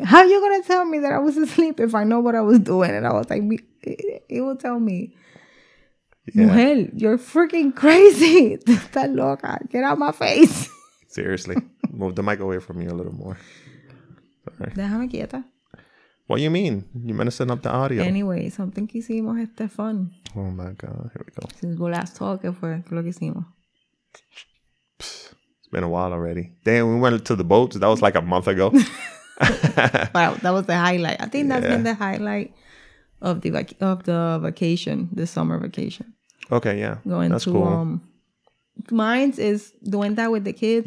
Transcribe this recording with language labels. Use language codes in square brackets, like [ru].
[en] How you going to tell me that I was asleep if I know what I was doing? And I was like, it will tell me. Yeah. Mujer, you're freaking crazy. [es] Está loca. [en] Get out of my face. Seriously. Move the mic away from me a little more. [es] Déjame quieta. [en] What do you mean? You meant to send up the audio. Anyway, something [es] que hicimos este [en] fun. Oh my God, here we go. Since we last talked, [es] fue lo que hicimos. [en] It's been a while already. Damn, we went to the boats. That was like a month ago. Wow, that was the highlight. I think that's been the highlight of the vacation, the summer vacation. Okay, yeah. Going that's to, cool. Mine's is doing that with the kids.